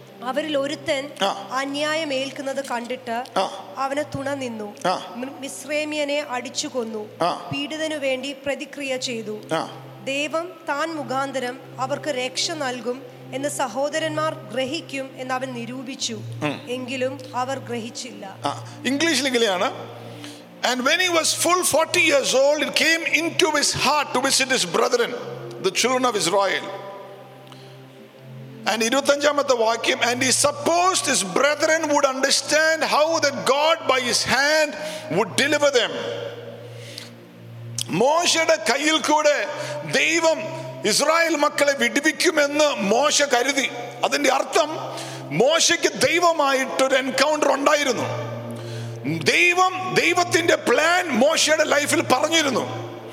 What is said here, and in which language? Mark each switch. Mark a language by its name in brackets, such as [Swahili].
[Malayalam] അവരിൽ ഒരുത്തൻ അന്യായം ഏൽക്കുന്നത് കണ്ടിട്ട് അവനെ തുണ നിന്നു, മിസ്രേമ്യനെ അടിച്ചു കൊന്നു, പീഡിതനു വേണ്ടി പ്രതിക്രിയ ചെയ്തു. ദൈവം താൻ മുഖാന്തരം അവർക്ക് രക്ഷ നൽകും എന്ന് സഹോദരന്മാർ ഗ്രഹിക്കും എന്ന് അവൻ നിരൂപിച്ചു, എങ്കിലും അവർ ഗ്രഹിച്ചില്ല. ഇംഗ്ലീഷിൽ ഇങ്ങനെയാണ്, [English] and when he was full 40 years old it came into his heart to visit his brethren the children of Israel. And 25th vakyam, and he supposed his brethren would understand how that God by his hand would deliver them. [Malayalam] മോശയുടെ കയ്യിൽ കൂടെ ദൈവം Israel മക്കളെ വിടുവിക്കുമെന്ന് മോശ കരുതി. അതിന്റെ അർത്ഥം മോശയ്ക്ക് ദൈവമായിട്ടൊരു എൻകൗണ്ടർ ഉണ്ടായിരുന്നു. ദൈവം ദൈവത്തിന്റെ പ്ലാൻ മോശയുടെ ലൈഫിൽ പറഞ്ഞിരുന്നു.